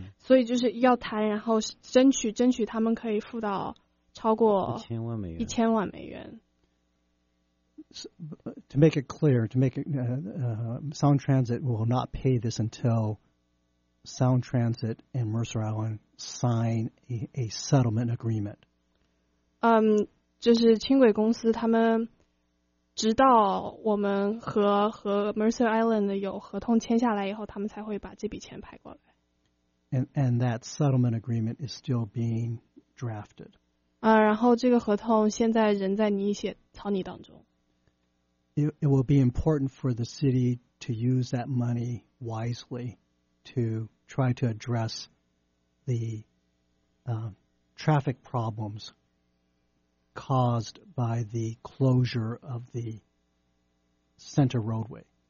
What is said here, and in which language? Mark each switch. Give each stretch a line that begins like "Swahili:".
Chinese: 所以就是要谈，然后争取他们可以付到超过 1000万美元。
English: So, to make it clear, Sound Transit will not pay this until Sound Transit and Mercer Island sign a settlement agreement.
Chinese: 就是轻轨公司他们直到我们和 Mercer Island 有合同签下来以后，他们才会把这笔钱派过来。
English: And that settlement agreement is still being drafted.
Chinese: 然后这个合同现在仍在草拟当中。
English: It will be important for the city to use that money wisely to try to address the traffic problems caused by the closure of the center roadway.